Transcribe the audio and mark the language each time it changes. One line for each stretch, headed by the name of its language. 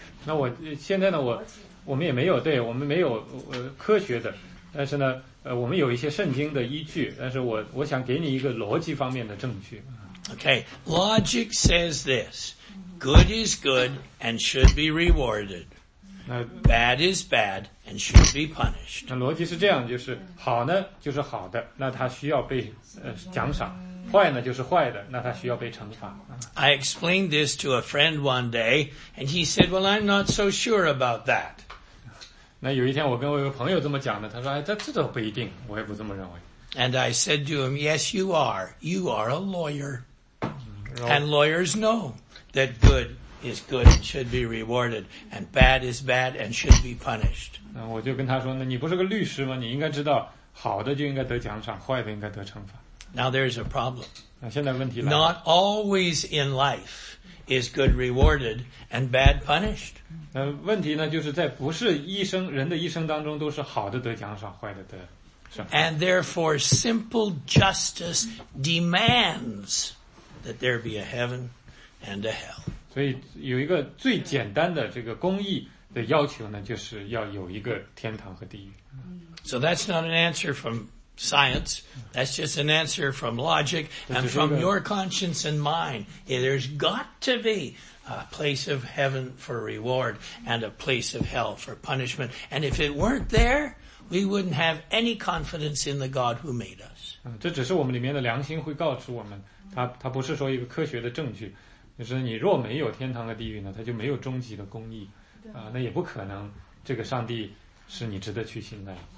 Chinese: 那我现在呢，我们也没有，对，我们没有科学的，但是呢，我们有一些圣经的依据，但是我想给你一个逻辑方面的证据。
English: Okay, logic says this: good is good and should be rewarded. Bad is bad and should be punished.
Chinese: 那逻辑是这样，就是好呢就是好的，那它需要被奖赏；坏呢就是坏的，那它需要被惩罚。
English: I explained this to a friend one day, and he said, "Well, I'm not so sure about that."
Chinese: 那有一天我跟我一个朋友这么讲的，他说：“哎，这都不一定，我也不这么认为。
English: ”And I said to him, "Yes, you are. You are a lawyer, and lawyers know that good is good and should be rewarded, and bad is bad and should be punished."
Chinese: 那我就跟他说：“那你不是个律师吗？你应该知道，好的就应该得奖赏，坏的应该得惩罚。”
English: Now there's a problem.
Chinese: 那现在问题来了。
English: Not always in life is good rewarded and bad punished.
Chinese: 那问题呢，就是在不是一生人的一生当中都是好的得奖赏，坏的得惩罚。
English: And therefore, simple justice demands that there be a heaven and a hell.
Chinese: 所以有一个最简单的这个公义的要求呢，就是要有一个天堂和地狱。
English: So that's not an answer from science. That's just an answer from logic and from your conscience and mine. Yeah, there's got to be a place of heaven for reward and a place of hell for punishment. And if it weren't there, we wouldn't have any confidence in the God who made us.
Chinese: 这只是我们里面的良心会告诉我们，它不是说一个科学的证据，就是你若没有天堂和地狱呢，它就没有终极的公义，那也不可能这个上帝是你值得去信赖。